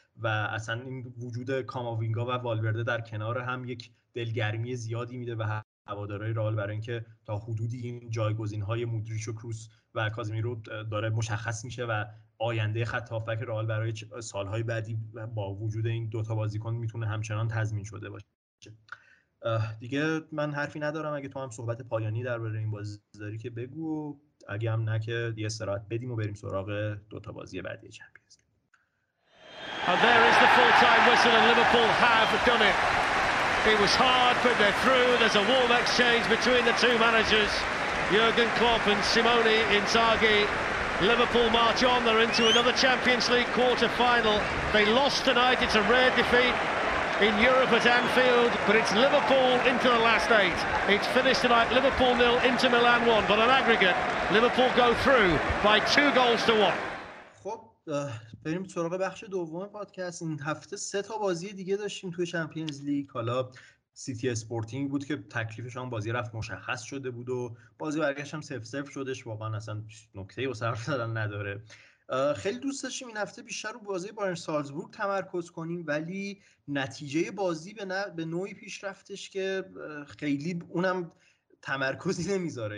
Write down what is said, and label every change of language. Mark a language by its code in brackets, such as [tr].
[fa] و اصلا این وجود کاماوینگا و والورده در کنار هم یک دلگرمی زیادی میده به هوادارهای رئال، برای اینکه تا حدودی این جایگزین‌های مودریچ و کروس و کازمی رو داره مشخص میشه و آینده خط هافبک رئال برای سال‌های بعدی با وجود این دوتا بازیکن میتونه همچنان تضمین شده باشه. دیگه من حرفی ندارم، اگه تو هم صحبت پایانی درباره این بازی داری که بگو، اگه هم نه که یه استراحت بدیم و بریم سراغ دوتا بازی بعدی چمپیونز لیگ. [en] There is the full time whistle and Liverpool have done it. It was hard but they're through. There's a warm exchange between the two managers, Jurgen Klopp and Simone Inzaghi. Liverpool march on, they're into another Champions League quarter final. They lost tonight, it's a rare defeat in Europe at Anfield, but it's Liverpool into the last eight. It's finished tonight, Liverpool 0, Inter Milan 1, but on aggregate, Liverpool go through by 2-1. [fa] خب بریم سراغ بخش دوم پادکست. این هفته سه تا بازی دیگه داشتیم توی چمپیونز لیگ. حالا سیتی اسپورتینگ بود که تکلیفش اون بازی رفت مشخص شده بود و بازی برگشت هم 0-0 شدش، واقعا اصلا نکته‌ای و صرف زدن نداره. خیلی دوست داشتیم این هفته بیشتر رو بازی بایرن سالزبورگ تمرکز کنیم، ولی نتیجه بازی به نوعی پیش رفتش که خیلی اونم تمرکزی نمیذاره.